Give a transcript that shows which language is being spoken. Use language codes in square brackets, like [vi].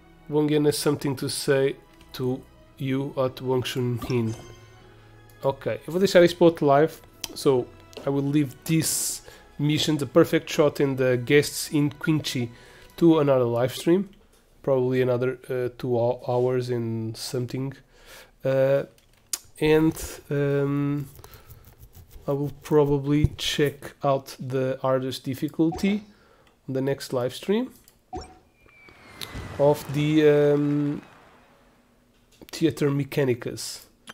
[en] Wongyan has something to say to you at Wongshunhin. [pt] Ok, eu vou deixar isso para outro live. [en] So I will leave this mission, the perfect shot in the guests in Quinchi, to another live stream. Probably another 2 hours and something. I will probably check out the hardest difficulty on the next live stream of the Theater Mechanicus.